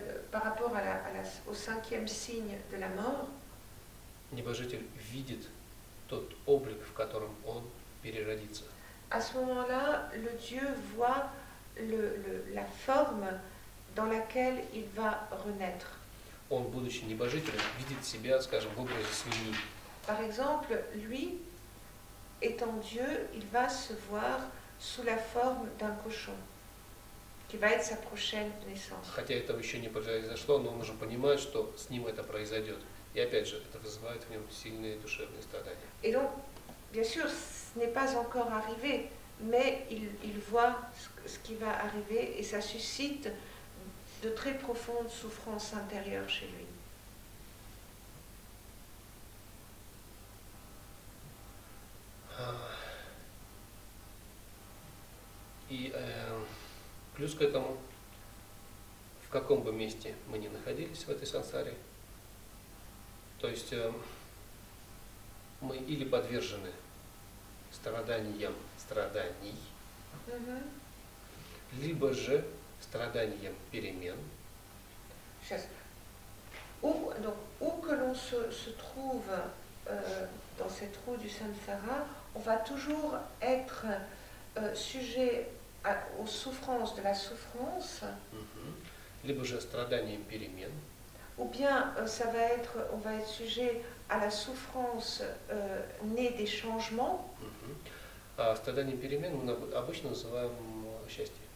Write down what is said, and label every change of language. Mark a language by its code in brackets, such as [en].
[fr] Par rapport au cinquième signe de la mort. [ru] Небожитель видит тот облик, в котором он переродится. [fr] À ce moment-là, le dieu voit la forme dans laquelle il va renaître. [ru] Он, будучи небожителем, видит себя, скажем, в образе свиньи. [fr] Par exemple, lui, étant Dieu, il va se voir sous la forme d'un cochon, qui va être sa prochaine naissance. [ru] Хотя этого еще не произошло, но он уже понимает, что с ним это произойдет. И опять же, это вызывает в нем сильные душевные страдания. [fr] Et donc, bien sûr, ce n'est pas encore arrivé, mais il voit ce qui va arriver et ça suscite de très profondes souffrances intérieures chez lui. [ru] И плюс к этому, в каком бы месте мы ни находились в этой сансаре, то есть мы или подвержены страданиям страданий, либо же страданиям перемен. Сейчас. [fr] Où que l'on se trouve dans cette roue du samsara, on va toujours être sujet aux souffrances de la souffrance. [ru] Либо же страданиям перемен. [fr] Ou bien ça va être, on va être sujet à la souffrance née des changements. [ru] А страданиям перемен мы обычно называем счастье.